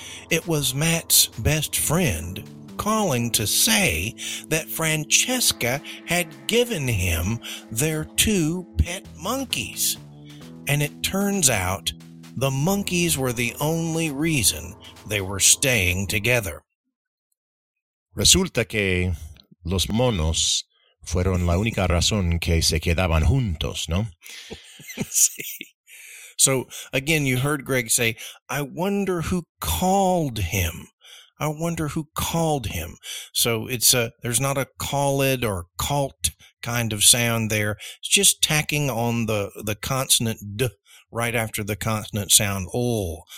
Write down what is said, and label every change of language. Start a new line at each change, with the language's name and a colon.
English: It was Matt's best friend calling to say that Francesca had given him their two pet monkeys. And it turns out the monkeys were the only reason they were staying together.
Spanish: Resulta que los monos fueron la única razón que se quedaban juntos, ¿no? Sí.
English: So, again, you heard Greg say, "I wonder who called him. I wonder who called him." So, there's not a called or cult kind of sound there. It's just tacking on the consonant D right after the consonant sound ul.